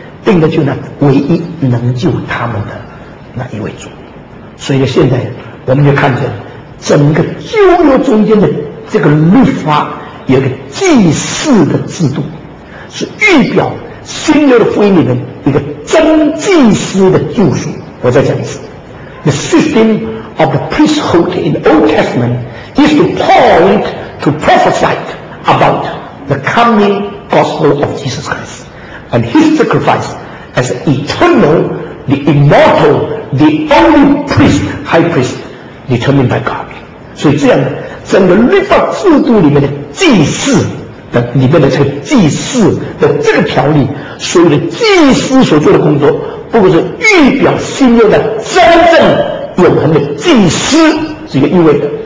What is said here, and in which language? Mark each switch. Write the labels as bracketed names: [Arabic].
[Chinese] 定的就那唯一能救他们的那一位主。所以现在我们就看见整个旧约中间的这个律法有一个祭祀的制度，是预表新约的福音里面一个真祭司的救赎。我再讲一次， [English] The system of the priesthood in the Old Testament is to point to prophesy about the comingGospel of Jesus Christ and his sacrifice as eternal, the immortal, the only priest, high priest determined by God. [Chinese] 所以这样整个律法制度里面的祭祀的里面的这个祭祀的这个条例，所有的祭祀所做的工作，不过是预表新约的真正永恒的祭祀这个意味的。